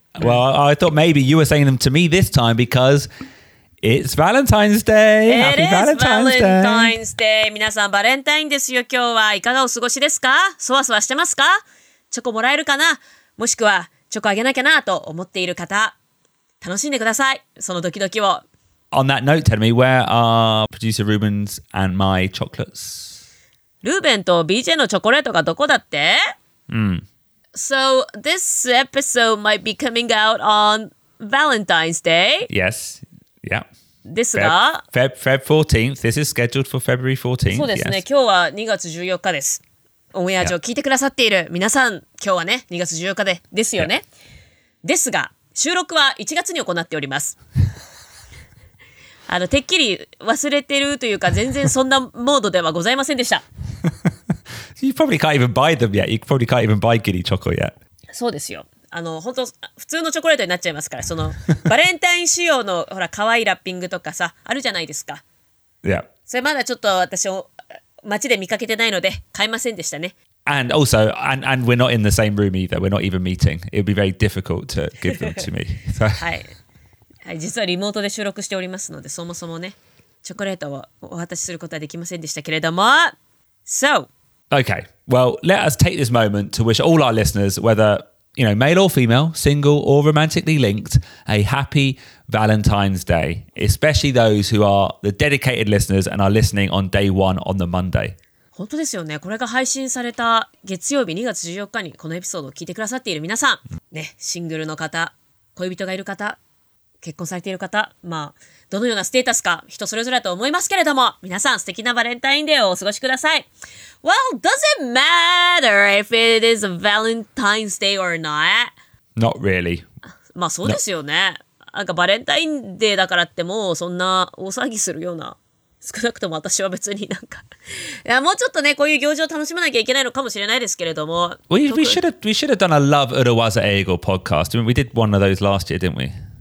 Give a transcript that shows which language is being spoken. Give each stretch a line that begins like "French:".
English: Well, I thought maybe you were saying them to me this time because it's Valentine's Day. Happy Valentine's Day.
Japanese: 皆さんバレンタインですよ。今日はいかがお過ごしですか？そわそわしてますか？チョコもらえるかな？もしくはチョコあげなきゃなと思っている方、楽しんでください、そのドキドキを。
English: On that note, tell me, where are producer Ruben's and my chocolates?
Japanese: ルーベンと BJ のチョコレートがどこだって？
English: So, this episode might be coming out on Valentine's Day. Yes. Yeah.
Japanese: ですが
English: Feb 14th. This is scheduled for February 14th.
Japanese: そうですね。今日は2月14日です。オンエア上聞いてくださっている皆さん、今日はね、2月14日で、ですよね。ですが、収録は1月に行っております。てっきり忘れてるというか、全然そんなモードではございませんでした。
English: You probably can't even buy them yet. You probably can't even buy guinea chocolate yet.
Japanese: そうですよ。本当、普通のチョコレートになっちゃいますから、その、バレンタイン仕様の、ほら、かわいいラッピングとかさ、あるじゃないですか。
English: Yeah.
Japanese: それまだちょっと私、街で見かけてないので、買いませんでしたね。
English: And also, and we're not in the same room either. We're not even meeting. It would be very difficult to give them to me.
Japanese: はい。はい、実はリモートで収録しておりますので、そもそもね、チョコレートをお渡しすることはできませんでしたけれども、So!
English: Okay, well, let us take this moment to wish all our listeners, whether, you know, male or female, single or romantically linked, a happy Valentine's Day, especially those who are the dedicated listeners and are listening on day one on the Monday.
Japanese: 本当ですよね。これが配信された月曜日2月14日にこのエピソードを聞いてくださっている皆さん、ね、シングルの方、恋人がいる方、結婚されている方、まあ、どのようなステータスか人それぞれと思いますけれども、皆さん素敵なバレンタインデーをお過ごしください。
English: Well, does it matter if it is a Valentine's Day or not? Not really.
Japanese: まあそうですよね。なんかバレンタインデーだからってもうそんな大騒ぎするような、少なくとも私は別になんか、いやもうちょっとねこういう行事を楽しまなきゃいけないのかもしれないですけれども。
English: We should have done a Love Urawaza Eigo podcast. We did one of those last year, didn't we?